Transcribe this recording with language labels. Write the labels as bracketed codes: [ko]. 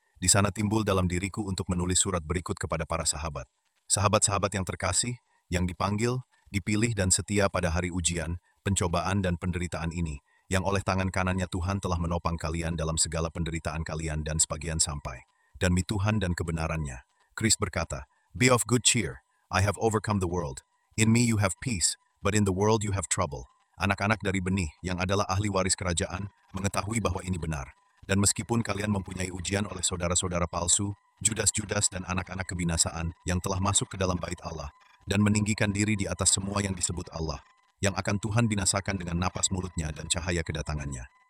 [id] Di sana timbul dalam diriku untuk menulis surat berikut kepada para sahabat. Sahabat-sahabat yang terkasih, yang dipanggil, dipilih dan setia pada hari ujian, pencobaan dan penderitaan ini, yang oleh tangan kanannya Tuhan telah menopang kalian dalam segala penderitaan kalian dan sebagian sampai. Dan mi Tuhan dan kebenarannya. [en] Chris [id] berkata, [en] "Be of good cheer. I have overcome the world. In me you have peace, but in the world you have trouble." [id] Anak-anak dari benih, yang adalah ahli waris kerajaan, mengetahui bahwa ini benar. Dan meskipun kalian mempunyai ujian oleh saudara-saudara palsu, Judas-Judas dan anak-anak kebinasaan yang telah masuk ke dalam bait Allah, dan meninggikan diri di atas semua yang disebut Allah, yang akan Tuhan binasakan dengan napas mulutnya dan cahaya kedatangannya.